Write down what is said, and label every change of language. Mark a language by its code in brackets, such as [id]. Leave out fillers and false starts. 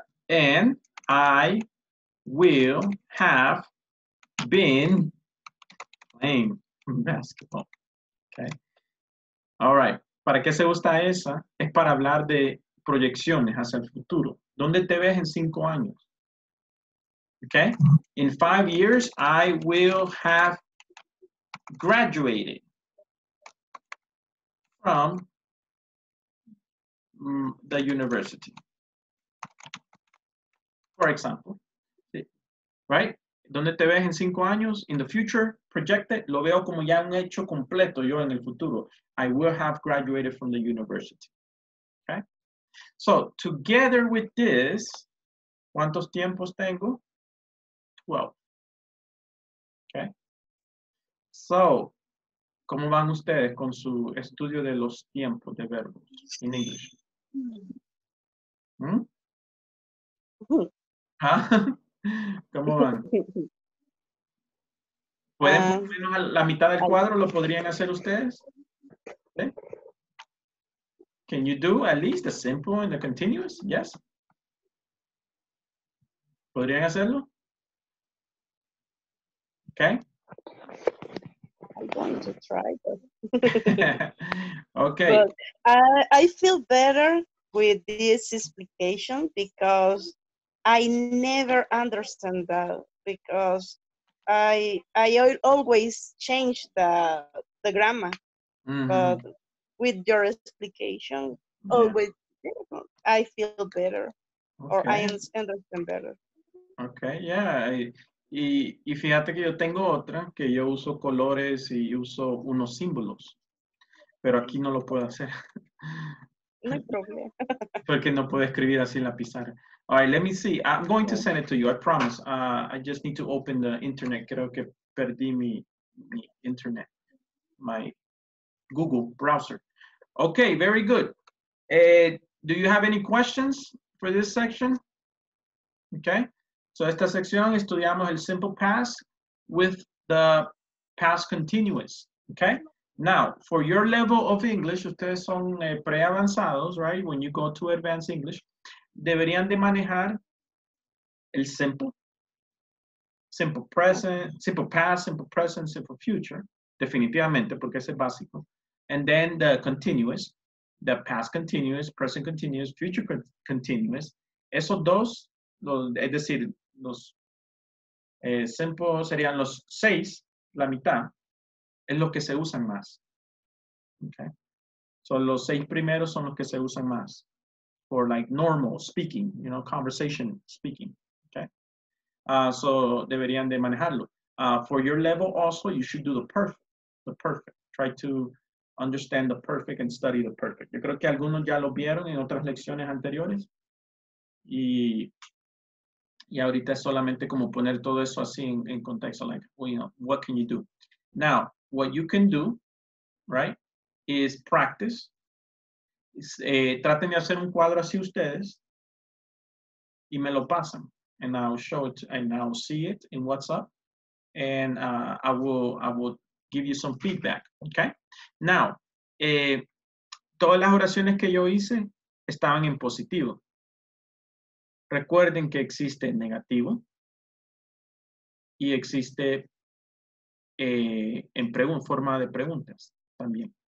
[en] And I will have been playing basketball. Okay. All right. [es] ¿Para qué se gusta esa? Es para hablar de proyecciones hacia el futuro. ¿Dónde te ves en 5 años? Okay. [en] In 5 years, I will have graduated from the university. For example. Right? [es] ¿Dónde te ves en 5 años? [en] In the future, projected, [es] lo veo como ya un hecho completo yo en el futuro. [en] I will have graduated from the university. Okay? So, together with this, [es] ¿Cuántos tiempos tengo? 12. Okay. So, ¿cómo van ustedes con su estudio de los tiempos de verbos [en] in English? [es] ¿Cómo van? ¿Pueden por lo menos la mitad del cuadro lo podrían hacer ustedes? ¿Eh? [en] Can you do at least the simple and the continuous? Yes. [es] ¿Podrían hacerlo? [en] Okay. I'm going to try. Okay. But I feel better with this explication because I never understand that because I always change the grammar. Mm-hmm. But with your explication, always I feel better or I understand better. Okay, yeah. [es] Y fíjate que yo tengo otra, que yo uso colores y uso unos símbolos. Pero aquí no lo puedo hacer. No hay problema. Porque no puedo escribir así en la pizarra. [en] All right, let me see. I'm going to send it to you, I promise. I just need to open the internet. [es] Creo que perdí mi internet. [en] My Google browser. Okay, very good. Do you have any questions for this section? Okay. So, [es] esta sección estudiamos el [en] simple past with the past continuous, okay? Now, for your level of English, [es] ustedes son pre-avanzados, [en] right? When you go to advanced English, [es] deberían de manejar el simple past, simple present, simple future, definitivamente, porque ese es básico. [en] And then the continuous, the past continuous, present continuous, future continuous. [es] Esos dos, es decir, los simple serían los seis, la mitad, es lo que se usan más. [en] Okay. So [es] los seis primeros son los que se usan más [en] for like normal speaking, you know, conversation speaking. Okay. [es] So deberían de manejarlo. [en] For your level also, you should do the perfect. Try to understand the perfect and study the perfect. [es] Yo creo que algunos ya lo vieron en otras lecciones anteriores. Y ahorita es solamente como poner todo eso así en contexto, [en] like, well, you know, what can you do? Now, what you can do, right, is practice. [es] Traten de hacer un cuadro así ustedes y me lo pasan. [en] And I'll show it, and I'll see it in WhatsApp. And I will give you some feedback, okay? [es] Now, todas las oraciones que yo hice estaban en positivo. Recuerden que existe negativo y existe en forma de preguntas también.